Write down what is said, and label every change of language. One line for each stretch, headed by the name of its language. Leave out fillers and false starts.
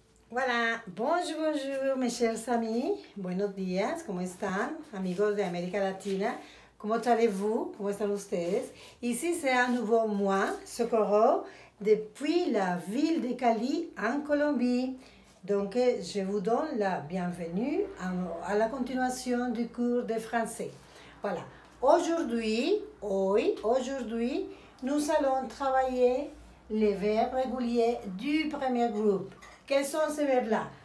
Spanish: Hola,
French: bonjour, bonjour, mes chers amis.
Spanish: Buenos días, ¿cómo están? Amigos de América Latina, ¿cómo
French: allez-vous?
Spanish: ¿Cómo están ustedes?
French: Ici, c'est un nouveau mois, Socorro, depuis la ville de Cali, en Colombie. Donc, je vous donne la bienvenue à la continuation du cours de français. Voilà, aujourd'hui, nous allons travailler les verbes réguliers du premier groupe. Quels sont ces verbes-là?